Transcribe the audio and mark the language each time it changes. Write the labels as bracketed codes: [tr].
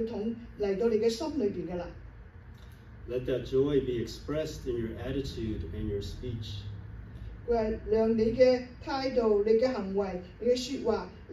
[zh] 当你默想主的坚定的爱的时候,你的爱就是耶稣,就是基督,在基督里面,那就快乐就会来到你的心里面了。 [en] Let that joy be expressed in your attitude and your speech. [zh] 让你的态度,你的行为,你的说话,